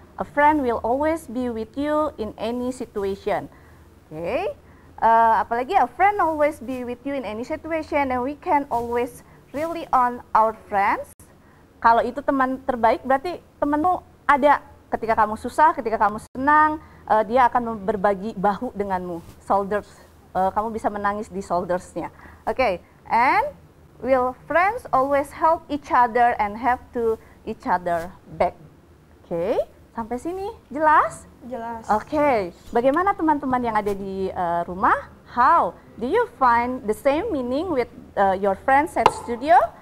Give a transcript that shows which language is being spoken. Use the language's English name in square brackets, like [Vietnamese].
[English] A friend will always be with you in any situation. Okay? apalagi a friend always be with you in any situation and we can always rely on our friends. [Indonesian] Kalau itu teman terbaik, berarti temanmu ada ketika kamu susah, ketika kamu senang, dia akan berbagi bahu denganmu, shoulders. Kamu bisa menangis di shoulders-nya. Oke, okay. [English] And will friends always help each other and have to each other back? Oke, okay. [Indonesian] Sampai sini jelas? Jelas. Oke, okay. Bagaimana teman-teman yang ada di rumah? [English] How do you find the same meaning with your friends at studio?